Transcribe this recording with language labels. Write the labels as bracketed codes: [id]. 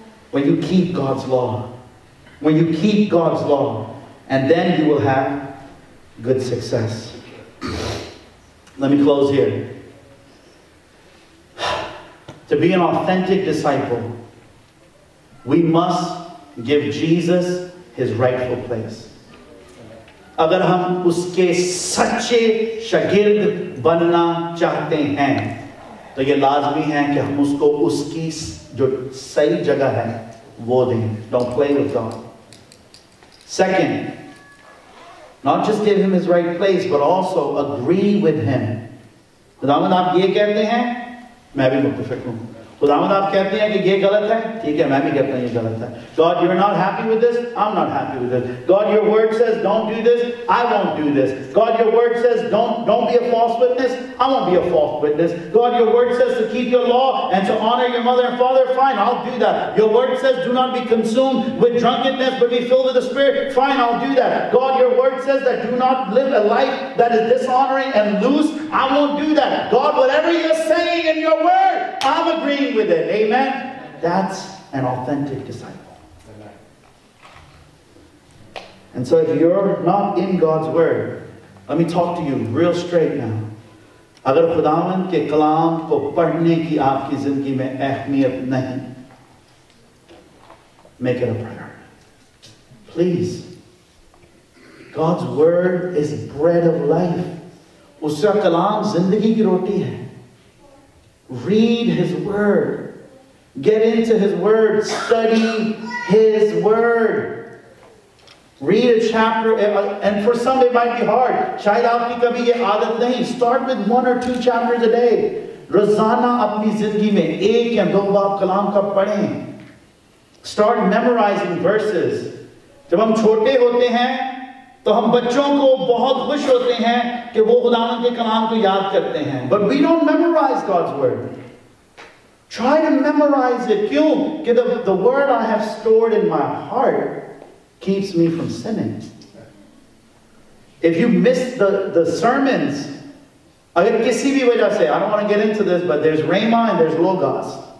[en] When you keep God's law, when you keep God's law, and then you will have good success. Let me close here. To be an authentic disciple, we must give Jesus his rightful place. [hi] अगर हम उसके सच्चे शागिर्द बनना चाहते हैं, तो ये लाजमी है कि हम उसको उसकी जो सही जगह है, वो दें. [en] Don't play with God. Second, not just give him his right place, but also agree with him. [hi] खुदावंद आप ये कहते हैं, मैं भी मुत्तफिक हूँ. खुदावंद आप कहते हैं कि ये गलत है, ठीक है, मैं भी कहता हूँ ये गलत है. [en] God, you're not happy with this, I'm not happy with this. God, your word says don't do this, I won't do this. God, your word says don't be a false witness, I won't be a false witness. God, your word says to keep your law and to honor your mother and father, fine, I'll do that. Your word says do not be consumed with drunkenness, but be filled with the Spirit, fine, I'll do that. God, your word says that do not live a life that is dishonoring and loose, I won't do that. God, whatever you're saying in your word, I'm agreeing with it, amen? That's an authentic disciple. And so if you're not in God's word, let me talk to you real straight now. [hi] अगर खुदावन के कलाम को पढ़ने की आपकी जिंदगी में अहमियत नहीं, [en] make it a prayer. Please. God's word is bread of life. [hi] उसका कलाम जिंदगी की रोटी है. [en] Read his word. Get into his word. Study his word. Read a chapter, and for some it might be hard. [hi] शायद आपकी कभी ये आदत नहीं. [en] Start with one or two chapters a day. [hi] रोजाना अपनी जिंदगी में एक या दो बार कलाम का पढ़ें. [en] Start memorizing verses. [hi] जब हम छोटे होते हैं, तो हम बच्चों को बहुत खुश होते हैं कि वो खुदावंद के कलाम को याद करते हैं. [en] But we don't memorize God's word. Try to memorize it. [hi] क्यों? [en] कि the word I have stored in my heart keeps me from sinning. If you miss the sermons, [hi] agar kisi bhi wajah se, [en] I don't want to get into this, but there's Rhema and there's Logos.